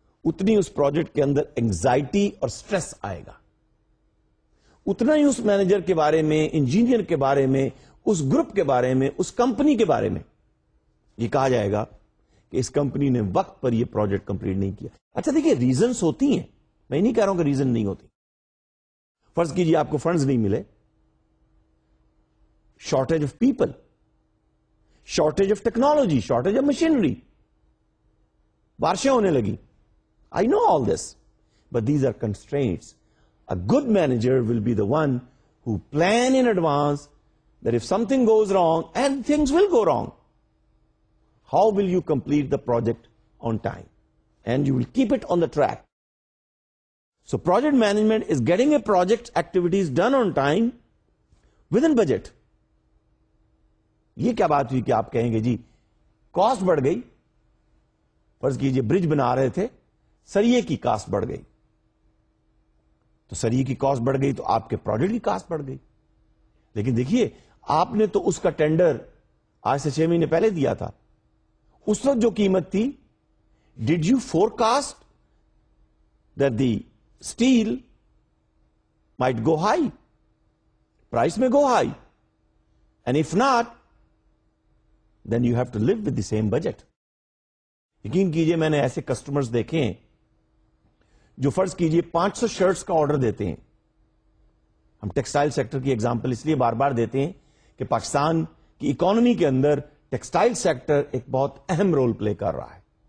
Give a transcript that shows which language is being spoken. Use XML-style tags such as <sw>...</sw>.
<ur>اتنی اس پروجیکٹ کے اندر انگزائٹی اور سٹریس آئے گا, اتنا ہی اس مینیجر کے بارے میں, انجینئر کے بارے میں, اس گروپ کے بارے میں, اس کمپنی کے بارے میں یہ کہا جائے گا کہ اس کمپنی نے وقت پر یہ پروجیکٹ کمپلیٹ نہیں کیا. اچھا دیکھیں ریزنز ہوتی ہیں, میں نہیں کہہ رہا ہوں کہ ریزن نہیں ہوتی. فرض کیجئے آپ کو فنڈز نہیں ملے,</ur> <en>shortage of people, shortage of technology, shortage of machinery,</en> <ur>بارشیں ہونے لگی.</ur> <en>I know all this, but these are constraints. A good manager will be the one who plan in advance that if something goes wrong, and things will go wrong, how will you complete the project on time? And you will keep it on the track. So project management is getting a project activities done on time within budget.</en> <ur>یہ کیا بات ہوئی کہ آپ کہیں گے جی cost بڑھ گئی, فرض کیجئے bridge بنا رہے تھے, سریے کی کاسٹ بڑھ گئی, تو سریے کی کاسٹ بڑھ گئی تو آپ کے پروجیکٹ کی کاسٹ بڑھ گئی. لیکن دیکھیے آپ نے تو اس کا ٹینڈر آج سے چھ مہینے پہلے دیا تھا, اس وقت جو قیمت تھی</ur> <en>did you forecast that the steel might go high? Price may go high. And if not, then you have to live with the same budget.</en> <ur>یقین کیجئے میں نے ایسے کسٹمرز دیکھے ہیں جو فرض کیجئے 500 شرٹس کا آرڈر دیتے ہیں. ہم ٹیکسٹائل سیکٹر کی ایگزامپل اس لیے بار بار دیتے ہیں کہ پاکستان کی اکانومی کے اندر ٹیکسٹائل سیکٹر ایک بہت اہم رول پلے کر رہا ہے.</ur>